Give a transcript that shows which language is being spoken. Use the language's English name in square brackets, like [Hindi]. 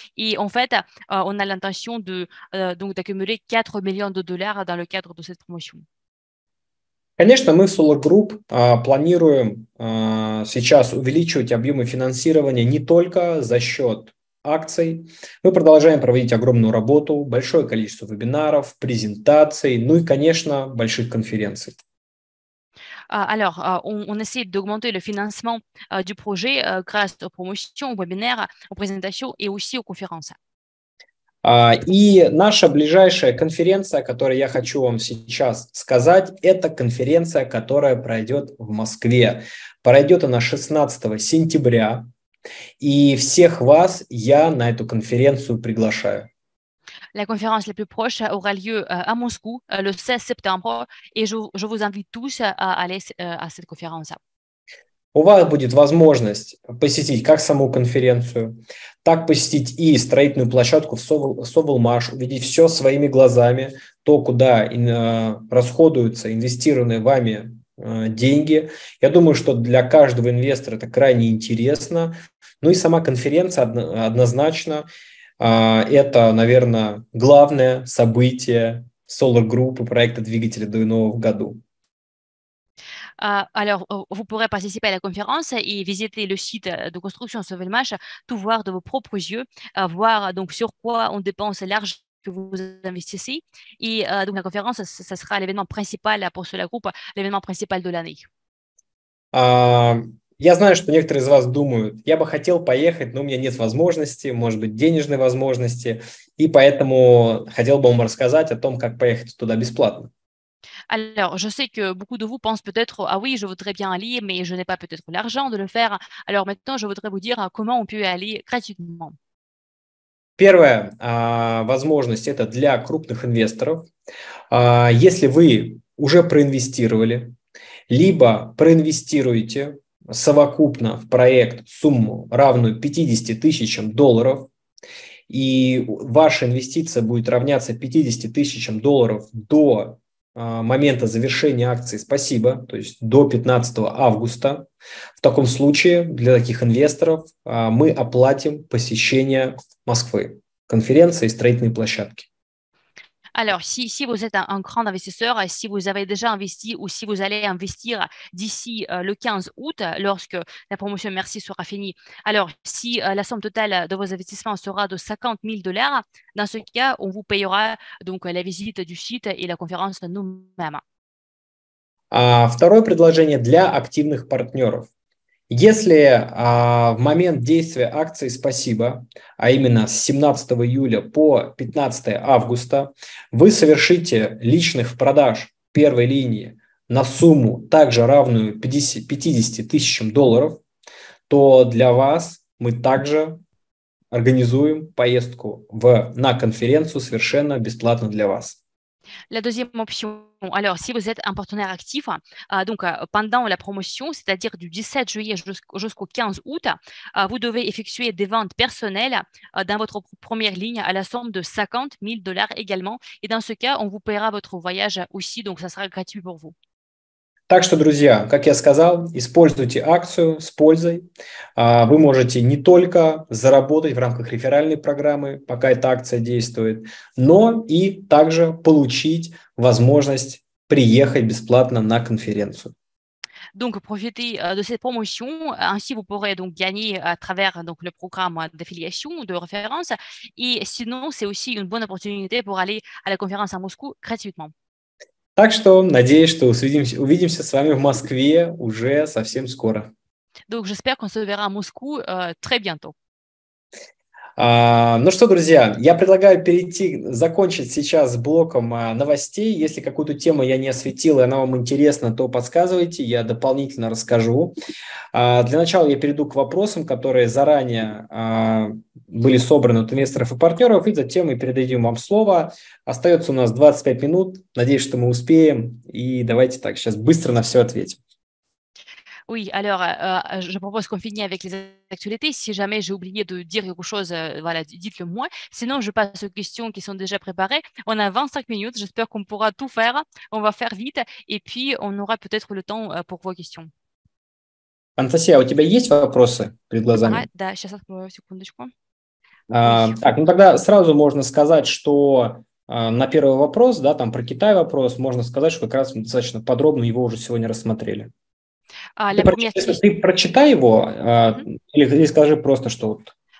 [French] Et en fait, on a l'intention d'accumuler 4 millions de dollars dans le cadre de cette promotion. [Russian] Конечно, мы в Solo Group планируем сейчас увеличивать объемы финансирования не только за счет акций. Мы продолжаем проводить огромную работу, большое количество вебинаров, презентаций, ну и, конечно, больших конференций. [French] Alors, on essaie d'augmenter le financement du projet grâce aux promotions, aux webinaires, aux présentations et aussi aux conférences. [Russian] И наша ближайшая конференция, о которой я хочу вам сейчас сказать, это конференция, которая пройдет в Москве. Пройдет она 16 сентября, и всех вас я на эту конференцию приглашаю. [French] La conférence la plus proche aura lieu à Moscou le 16 septembre, et je vous invite tous à aller à cette conférence. [Russian] У вас будет возможность посетить как саму конференцию, так посетить и строительную площадку в Сувалмаш, увидеть все своими глазами, то, куда расходуются инвестированные вами деньги. Я думаю, что для каждого инвестора это крайне интересно. Ну и сама конференция однозначно это, наверное, главное событие Solar Group и проекта «Двигатели до иного в году». [French] Alors, vous pourrez participer à la conférence et visiter le site de construction Sauvelmash, tout voir de vos propres yeux, voir donc sur quoi on dépense l'argent que vous investissez. Et donc, la conférence, ça sera l'événement principal pour Solo Group, l'événement principal de l'année. [Russian] Я знаю, что некоторые из вас думают, я бы хотел поехать, но у меня нет возможности, может быть, денежной возможности, и поэтому хотел бы вам рассказать о том, как поехать туда бесплатно. [French] Alors, je sais que beaucoup de vous pensent peut-être « Ah oui, je voudrais bien aller, mais je n'ai pas peut-être l'argent de le faire. » Alors maintenant, je voudrais vous dire comment on peut aller gratuitement. [Russian] Первая возможность – это для крупных инвесторов. Если вы уже проинвестировали, либо проинвестируете совокупно в проект сумму, равную 50 тысячам долларов, и ваша инвестиция будет равняться 50 тысячам долларов до момента завершения акции, спасибо, то есть до 15 августа. В таком случае для таких инвесторов мы оплатим посещение Москвы, конференции и строительной площадки. [French] Alors, si vous êtes un grand investisseur, si vous avez déjà investi ou si vous allez investir d'ici le 15 août, lorsque la promotion Merci sera finie, alors si la somme totale de vos investissements sera de 50 000 dollars, dans ce cas, on vous payera donc la visite du site et la conférence nous-mêmes. [Russian] Второе предложение для активных партнеров. Если в момент действия акции «Спасибо», а именно с 17 июля по 15 августа, вы совершите личных продаж первой линии на сумму, также равную 50 тысячам долларов, то для вас мы также организуем поездку на конференцию совершенно бесплатно для вас. [French] La deuxième option, alors si vous êtes un partenaire actif, donc pendant la promotion, c'est-à-dire du 17 juillet jusqu'au 15 août, vous devez effectuer des ventes personnelles dans votre première ligne à la somme de 50 000 dollars également. Et dans ce cas, on vous paiera votre voyage aussi, donc ça sera gratuit pour vous. [Russian] Так что, друзья, как я сказал, используйте акцию с пользой. Вы можете не только заработать в рамках реферальной программы, пока эта акция действует, но и также получить возможность приехать бесплатно на конференцию. [French] Donc, profitez de cette promotion. Ainsi, vous pourrez donc gagner à travers donc, le programme d'affiliation, de référence. Et sinon, c'est aussi une bonne opportunité pour aller à la conférence à Moscou gratuitement. [Russian] Так что надеюсь, что увидимся с вами в Москве уже совсем скоро. [French] Donc j'espère qu'on se verra à Moscou très bientôt. [Russian] Ну что, друзья, я предлагаю закончить сейчас с блоком новостей. Если какую-то тему я не осветил, и она вам интересна, то подсказывайте, я дополнительно расскажу. Для начала я перейду к вопросам, которые заранее были собраны от инвесторов и партнеров, и затем мы передадим вам слово. Остается у нас 25 минут, надеюсь, что мы успеем, и давайте так, сейчас быстро на все ответим. [French] Oui, alors je propose qu'on finisse avec les actualités. Si jamais j'ai oublié de dire quelque chose, voilà, dites-le moi. Sinon, je passe aux questions qui sont déjà préparées. On a 25 minutes, j'espère qu'on pourra tout faire. On va faire vite et puis on aura peut-être le temps pour vos questions. [Russian] Анастасия, у тебя есть вопросы перед глазами? Да, сейчас открою секундочку. Так, ну тогда сразу можно сказать, что на первый вопрос, да, там про Китай вопрос, можно сказать, что как раз мы достаточно подробно его уже сегодня рассмотрели. Ты прочитай его или скажи просто, что вот.